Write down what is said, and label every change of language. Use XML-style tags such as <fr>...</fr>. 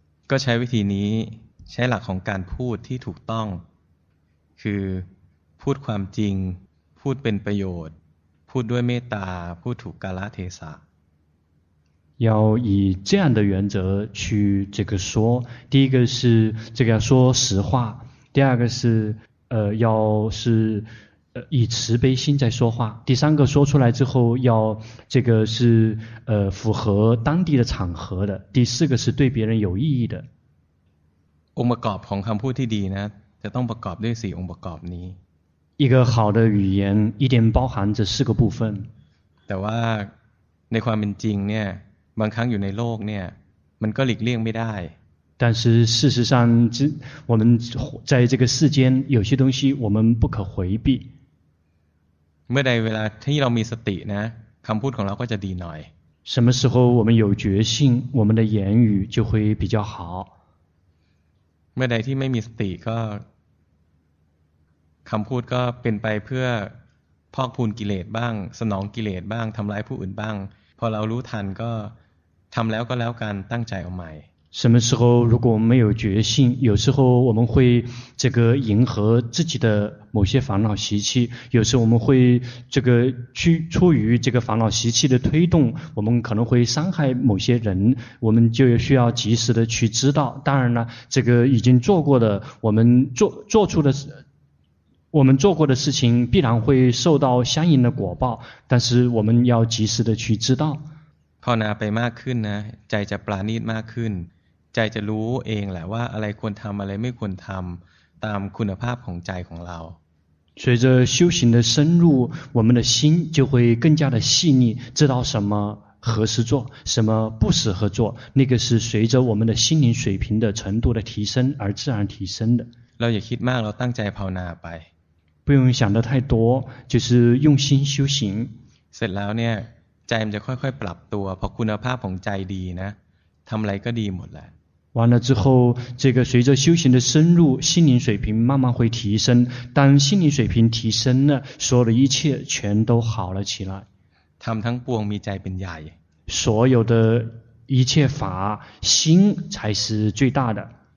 <th>ก็ใช้วิธีนี้ใช้หลักของการพูดที่ถูกต้องคือพูดความจริงพูดเป็นประโยชน์พูดด้วยเมตตาพูดถูกกาลเทศะ</th> <zh>要以这样的原则去这个说第一个是这个说实话第二个是要是以慈悲心在说话第三个说出来之后要这个是符合当地的场合的第四个是对别人有意义的</zh> <th>องค์ประกอบของคำพูดที่ดีนะจะต้องประกอบด้วยสี่องค์ประกอบนี้</th> <zh>一个好的语言一定包含这四个部分</zh> <th>แต่ว่าในความเป็นจริงเนี่ยบางครั้งอยู่ในโลกเนี่ยมันก็หลีกเลี่ยงไม่ได้</th> <zh>但是事实上我们在这个世间有些东西我们不可回避</zh> <th>เมื่อใดเวลาที่เรามีสตินะคำพูดของเราก็จะดีหน่อย</th> <zh>什么时候我们有决心我们的言语就会比较好</zh> <th>เมื่อใดที่ไม่มีสติก็คำพูดก็เป็นไปเพื่อพอกพูนกิเลสบ้างสนองกิเลสบ้างทำร้ายผู้อื่นบ้างพอเรารู้ทันก็ทำแล้วก็แล้วกันตั้งใจเอาใหม่</th> <zh>什么时候如果我们没有决心有时候我们会这个迎合自己的某些烦恼习气有时候我们会这个去出于这个烦恼习气的推动我们可能会伤害某些人我们就需要及时的去知道当然了这个已经做过的我们做过的事情必然会受到相应的果报但是我们要及时的去知道</zh> <th>ภาวนาไปมากขึ้นนะใจจะปราณีตมากขึ้นใจจะรู้เองแหละว่าอะไรควรทำอะไรไม่ควรทำตามคุณภาพของใจของเรา</th> <zh>随着修行的深入我们的心就会更加的细腻知道什么合适做什么不适合做那个是随着我们的心灵水平的程度的提升而自然提升的</zh> <th>เราอย่าคิดมากเราตั้งใจภาวนาไป</th> <zh>不用想的太多就是用心修行</zh> <th>เสร็จแล้วเนี่ยใจมันจะค่อยๆปรับตัวพอคุณภาพของใจดีนะทำอะไรก็ดีหมดแหละ</th> <zh>完了之后，这个随着修行的深入，心灵水平慢慢会提升。当心灵水平提升了，所有的一切全都好了起来。</zh> <th>ทำทั้งปวงมีใจเป็นใหญ่。</th> <zh>所有的一切法，心才是最大的。</zh>